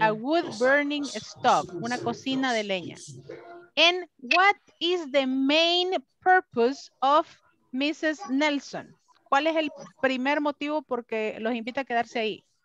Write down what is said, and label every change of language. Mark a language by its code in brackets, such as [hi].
[en] A wood burning stove, [es] una cocina de leña. [en] And what is the main purpose of Mrs. Nelson? [es] ¿Cuál es el primer motivo porque los invita a quedarse ahí?